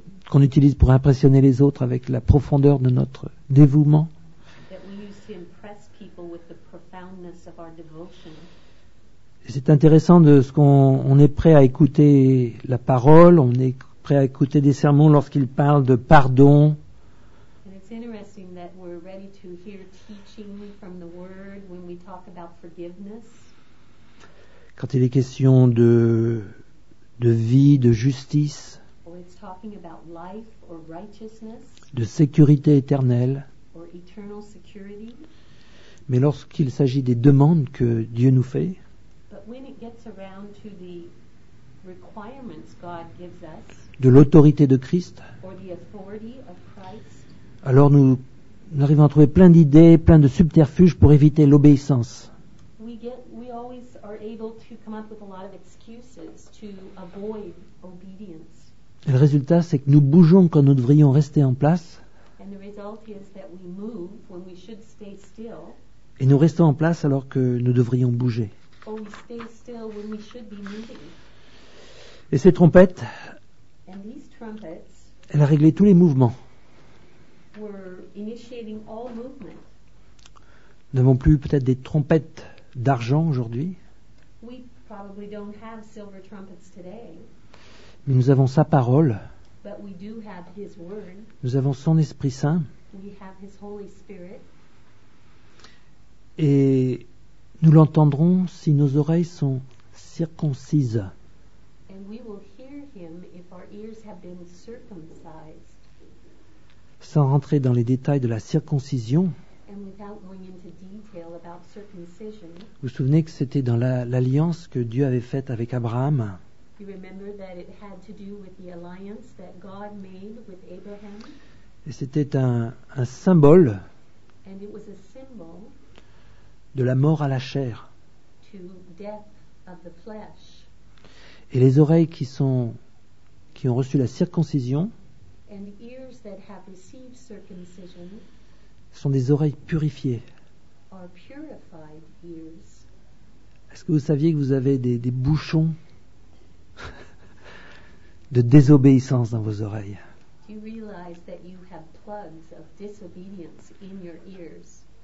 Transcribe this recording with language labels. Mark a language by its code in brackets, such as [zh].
[fr] qu'on utilise pour impressionner les autres avec la profondeur de notre dévouement. [en] That we use to impress people with the profoundness of our devotion. [fr] C'est intéressant de ce qu'on est prêt à écouter la parole, on est prêt à écouter des sermons lorsqu'il parle de pardon. [en] And it's interesting that we're ready to hear teaching from the word when we talk about forgiveness. [fr] Quand il est question de vie, de justice, [en] or it's talking about life or righteousness, [fr] de sécurité éternelle, [en] or eternal security. [fr] Mais lorsqu'il s'agit des demandes que Dieu nous fait, [en] but when it gets around to the requirements God gives us, [fr] de l'autorité de Christ, [en] or the authority of Christ, [fr] alors nous arrivons à trouver plein d'idées, plein de subterfuges pour éviter l'obéissance. [en] We always are able to come up with a lot of excuses to avoid obedience. [fr] Et le résultat, c'est que nous bougeons quand nous devrions rester en place. [en] And the result is that we move when we should stay still. [fr] Et nous restons en place alors que nous devrions bouger. [en] Or we stay still when we should be moving. [fr] Et ces trompettes, [en] and these trumpets, [fr] elles réglaient tous les mouvements. [en] Were initiating all movement. [fr] Nous n'avons plus peut-être des trompettes d'argent aujourd'hui. [en] We probably don't have silver trumpets today. [fr] Mais nous avons sa parole. [en] But we do have his word. [fr] Nous avons son Esprit Saint. [en] We have his Holy Spirit. [fr] Et nous l'entendrons si nos oreilles sont circoncises. [en] And we will hear him if our ears have been circumcised. [fr] Sans rentrer dans les détails de la circoncision. [en] And without going into detail about circumcision, [fr] vous vous souvenez que c'était dans l'alliance que Dieu avait faite avec Abraham. [en] You remember that it had to do with the alliance that God made with Abraham. [fr] Et c'était un symbole. [en] And it was a symbol [fr] de la mort à la chair. [en] To death of the flesh. [fr] Et les oreilles qui ont reçu la circoncision, [en] and ears that have received circumcision, [fr] sont des oreilles purifiées. [en] Are purified ears. [fr] Est-ce que vous saviez que vous avez des bouchons de désobéissance dans vos oreilles? [en] Do you realize that you have plugs of disobedience in your ears?